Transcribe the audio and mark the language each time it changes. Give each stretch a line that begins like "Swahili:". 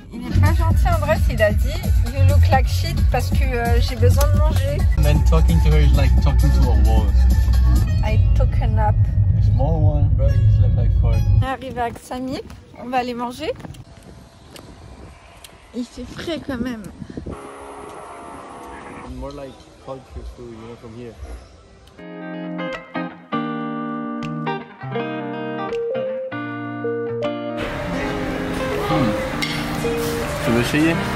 French: Il est pas gentil en bref, il a dit
English: you look like shit
French: parce que j'ai besoin de manger.
English: And then talking to her is like talking to a wall. I took a nap. Small one, bro, you slept like four.
French: On est arrivé avec Samy, on va aller manger. Il fait frais quand même.
English: More like culture too, you know, from here.
French: Tu veux essayer?